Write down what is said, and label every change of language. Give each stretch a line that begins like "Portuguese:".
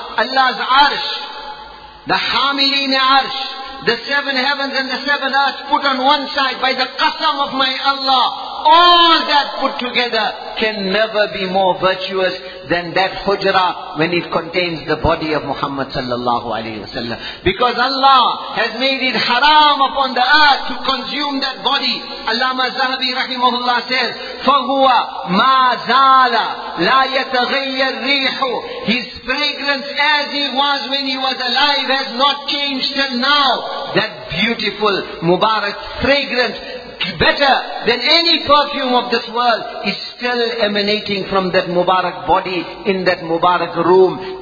English: Allah's arsh, the hamilini arsh, the seven heavens and the seven earths put on one side by the qasam of my Allah, all that put together can never be more virtuous than that hujra when it contains the body of Muhammad sallallahu alayhi wasallam. Because Allah has made it haram upon the earth to consume that body.
Arabic: Allama Zahabi rahimahullah says, فَهُوَ مَا زَالَ لَا يَتَغَيَّ الرِّيحُ.
English: His fragrance as he was when he was alive has not changed till now. That beautiful Mubarak fragrance, better than any perfume of this world, is still emanating from that Mubarak body in that Mubarak room.